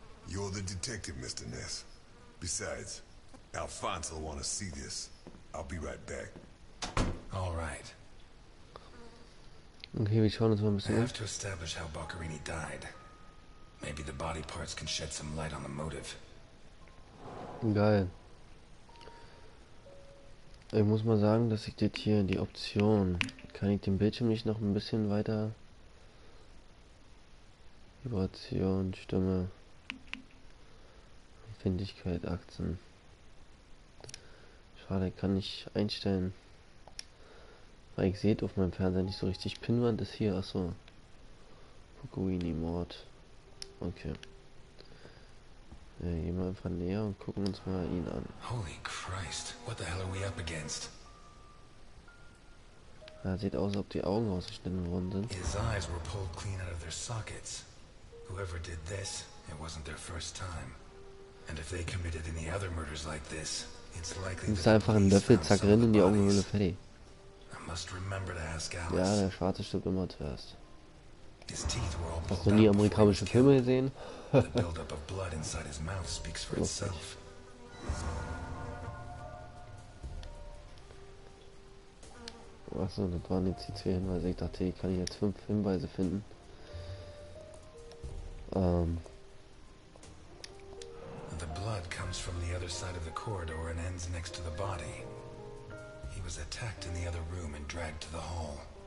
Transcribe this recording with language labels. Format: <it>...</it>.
<en>You're the detective, Mr. Ness. Besides, Alphonse will want to see this. I'll be right back. All right.</en> <de>Okay, we schauen uns mal ein bisschen.</de> <en>We have to establish how Boccherini died. Maybe the body parts can shed some light on the motive.</en> <de>Geil. Ich muss mal sagen, dass ich das hier, die Option, kann ich den Bildschirm nicht noch ein bisschen weiter. Vibration, Stimme, Empfindlichkeit, Aktien. Schade, kann ich einstellen. Weil ich sehe auf meinem Fernseher nicht so richtig. Pinwand ist hier, achso. Boccherini Mord. Okay. Gehen wir einfach näher und gucken uns mal ihn an.</de> <en>Holy Christ, what the hell are we up against?</en> <de>Ja, sieht aus, als ob die Augen rausgeschnitten worden sind.</de> <en>His eyes were pulled clean out of their sockets. Whoever did this, it wasn't their first time. And if they committed any other murders like this, it's likely</en> <de>that einfach einen Löffel zack rein in die Augenhöhle, fertig.</de> <en>I must remember to ask Alice.</en> <de>Ja, der Schwarze stirbt immer zuerst. Hast du nie amerikanische Filme gesehen?</de> <en>The buildup of blood inside his mouth speaks for itself.</en> <de>Achso, das waren jetzt die zwei Hinweise. Ich dachte, ich kann hier jetzt fünf Hinweise finden.</de> <en>The blood comes from the other side of the corridor and ends next to the body. He was attacked in the other room and dragged to the hall.</en>